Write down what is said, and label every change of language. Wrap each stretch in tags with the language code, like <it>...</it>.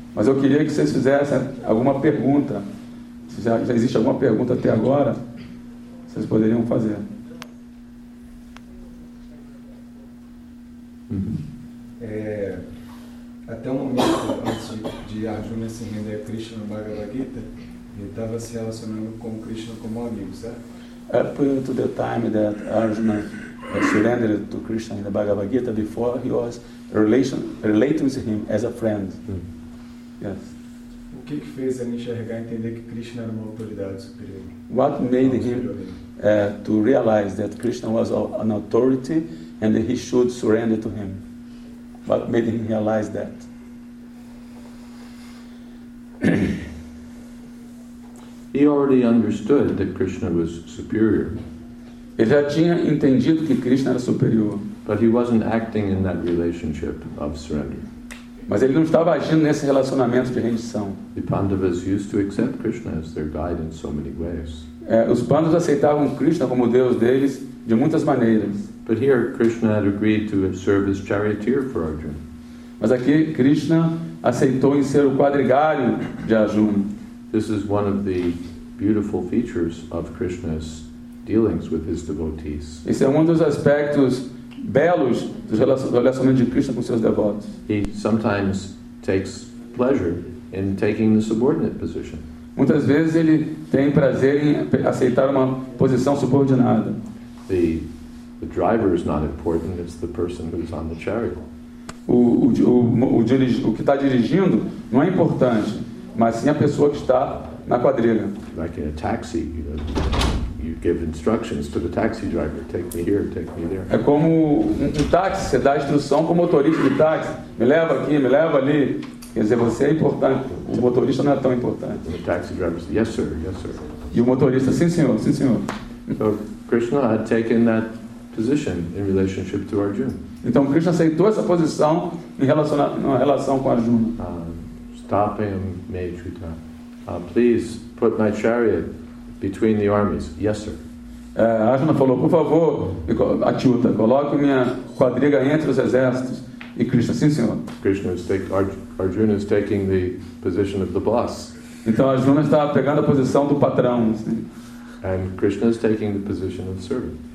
<pt>Mas eu queria que vocês fizessem alguma pergunta. Se já existe alguma pergunta até agora, vocês poderiam fazer. Até um momento antes de Arjuna se render a Krishna no Bhagavad Gita, ele estava se relacionando com Krishna como amigo, certo?</pt> <en>Up to the time that Arjuna surrendered to Krishna in the Bhagavad Gita, before he was relating to him as a friend.</en> <pt>O que fez ele enxergar e entender que Krishna era uma autoridade superior?</pt> <en>What made him to realize that Krishna was an authority and that he should surrender to him? What made him realize that? He already understood that Krishna was superior.</en> <pt>Ele já tinha entendido que Krishna era superior.</pt> <en>But he wasn't acting in that relationship of surrender.</en> <pt>Mas ele não estava agindo nesse relacionamento de rendição.</pt> <en>The Pandavas used to accept Krishna as their guide in so many ways.</en> <pt>Os Pandavas aceitavam Krishna como Deus deles de muitas maneiras.</pt> <en>But here Krishna had agreed to serve as charioteer for Arjuna.</en> <pt>Mas aqui Krishna aceitou em ser o quadrigário de Arjuna.</pt> <en>This is one of the beautiful features of Krishna's dealings with his devotees.</en> <pt>Esse é um dos aspectos belos do relacionamento de Krishna com seus devotos.</pt> <en>He sometimes takes pleasure in taking the subordinate position.</en> <pt>Muitas vezes ele tem prazer em aceitar uma posição subordinada.</pt> <en>The driver is not important, it's the person who's on the chariot.</en> <pt>O que está dirigindo não é importante, mas sim a pessoa que está na quadrilha.</pt> <en>Like in a taxi, you give instructions to the taxi driver, take me here, take me there.</en> <pt>É como um táxi, você dá instrução para o motorista de táxi, me leva aqui, me leva ali. Quer dizer, você é importante, o motorista não é tão importante.</pt> <en>And the taxi driver says, yes sir, yes sir.</en> <pt>E o motorista, sim senhor, sim senhor.</pt> <en>So Krishna had taken that position in relationship to Arjuna.</en> <pt>Então Krishna aceitou essa posição em relação com Arjuna.</pt> <en>Stop him, Mayutra. Please put my chariot between the armies. Yes, sir.</en> <pt>Arjuna falou, por favor, Achyuta, coloque minha quadriga entre os exércitos. E Krishna, sim, senhor.</pt> <en>Arjuna is taking the position of the boss.</en> <pt>Então Arjuna está pegando a posição do patrão. Assim.</pt> <en>And Krishna is taking the position of servant.</en>